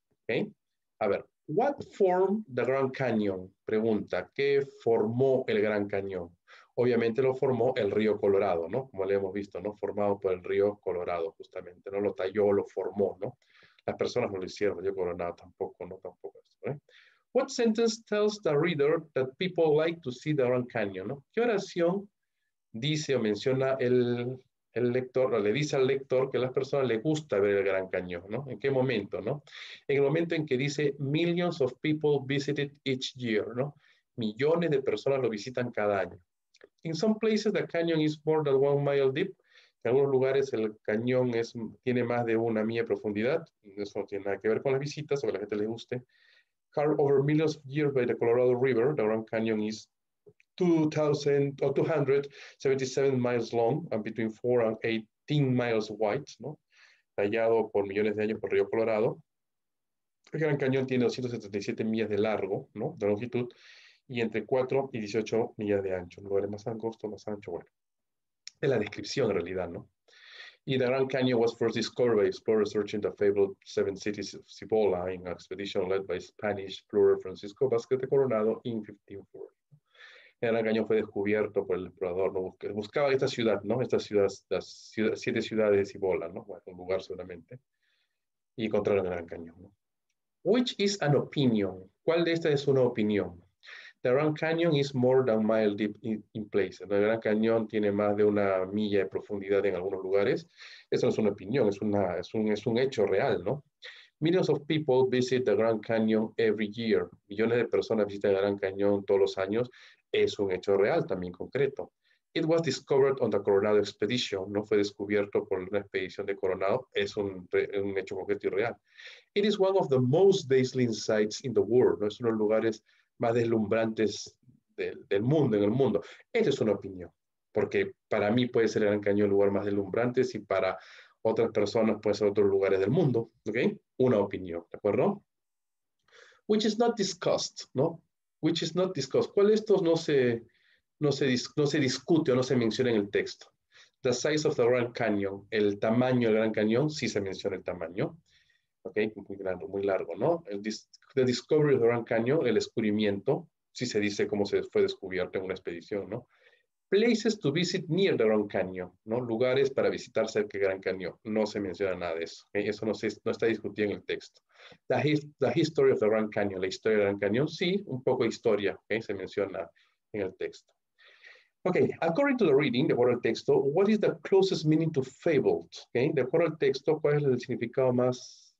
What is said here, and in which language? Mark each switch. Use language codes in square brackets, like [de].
[en] ¿Okay? [es] A ver, [en] what formed the Grand Canyon? [es] Pregunta, ¿qué formó el Gran Cañón? Obviamente lo formó el río Colorado, ¿no? Como le hemos visto, ¿no? Formado por el río Colorado, justamente, ¿no? Lo talló, lo formó, ¿no? Las personas no lo hicieron, yo Colorado tampoco, no tampoco eso, ¿eh? [en] What sentence tells the reader that people like to see the Grand Canyon, ¿no? [es] ¿Qué oración dice o menciona el lector, o le dice al lector que a las personas les gusta ver el Gran Cañón, ¿no? ¿En qué momento, no? En el momento en que dice, [en] millions of people visited each year, [es] ¿no? Millones de personas lo visitan cada año. [en] In some places the canyon is more than 1 mile deep. [es] En algunos lugares el cañón tiene más de una milla de profundidad. Eso no tiene nada que ver con las visitas o que a la gente le guste. [en] Carved over millions of years by the Colorado River, the Grand Canyon is 277 miles long and between 4 and 18 miles wide, ¿no? [es] Tallado por millones de años por el río Colorado. El Gran Cañón tiene 277 millas de largo, ¿no? De longitud y entre 4 y 18 millas de ancho. Lugares más angosto, más ancho, bueno. Es la descripción en realidad, ¿no? [en] Y the Grand Canyon was first discovered by explorers searching the fabled Seven Cities of Cibola in an expedition led by Spanish explorer Francisco Vázquez de Coronado in 1540. [es] El Gran Cañón fue descubierto por el explorador, ¿no? Buscaba esta ciudad, ¿no? Estas ciudades, siete ciudades de Cibola, ¿no? Bueno, un lugar seguramente. Y encontraron el Gran Cañón, ¿no? [en] Which is an opinion? [es] ¿Cuál de estas es una opinión? [en] The Grand Canyon is more than a mile deep in places. [es] El Gran Cañón tiene más de una milla de profundidad en algunos lugares. Eso no es una opinión, es un hecho real, ¿no? [en] Millions of people visit the Grand Canyon every year. [es] Millones de personas visitan el Gran Cañón todos los años. Es un hecho real, también concreto. [en] It was discovered on the Coronado Expedition. [es] No fue descubierto por una expedición de Coronado. Es un hecho concreto y real. [en] It is one of the most dazzling sights in the world. [es] ¿No? Es uno de los lugares más deslumbrantes del mundo, en el mundo. Esa es una opinión, porque para mí puede ser el Gran Cañón el lugar más deslumbrante, y para otras personas puede ser otros lugares del mundo, ¿okay? Una opinión, ¿de acuerdo? [en] Which is not discussed, ¿no? Which is not discussed. [es] ¿Cuál de estos no se discute o no se menciona en el texto? [en] The size of the Grand Canyon, [es] el tamaño del Gran Cañón, sí se menciona el tamaño. Okay, muy grande, muy largo, ¿no? [en] The discovery of the Grand Canyon, [es] el descubrimiento, si se dice cómo se fue descubierto en una expedición, ¿no? [en] Places to visit near the Grand Canyon, ¿no? [es] Lugares para visitar cerca del Gran Canyon, no se menciona nada de eso, ¿okay? Eso no está discutido en el texto. [en] The history of the Grand Canyon, [es] la historia del Gran Canyon, sí, un poco de historia, ¿okay? Se menciona en el texto. Okay, [en] according to the reading, [es] de acuerdo al texto, [en] what is the closest meaning to fabled? [es] Okay, de acuerdo al texto, ¿cuál es el significado más